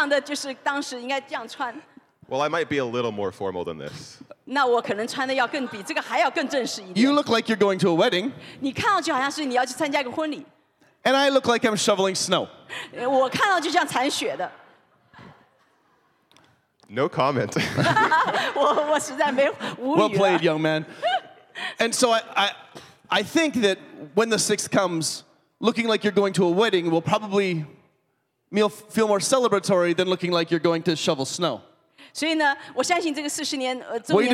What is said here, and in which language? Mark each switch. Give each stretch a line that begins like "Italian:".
Chinese: 我们两个人就是这样的，就是当时应该这样穿。
English: Well, I might be a little more formal than this.
Chinese: 那我可能穿的要更比这个还要更正式一点。
English: You look like you're going to a wedding.
Chinese: 你看上去好像是你要去参加一个婚礼。
English: And I look like I'm shoveling snow.
Chinese: 我看到就像铲雪的。
English: No comment.
Chinese: 我实在没无语了。
English: Well played, young man. And so I think that when the 6th comes, looking like you're going to a wedding will probably feel more celebratory than looking like you're going to shovel snow.
Chinese: 所以呢，我相信这个40年，周年的晚期。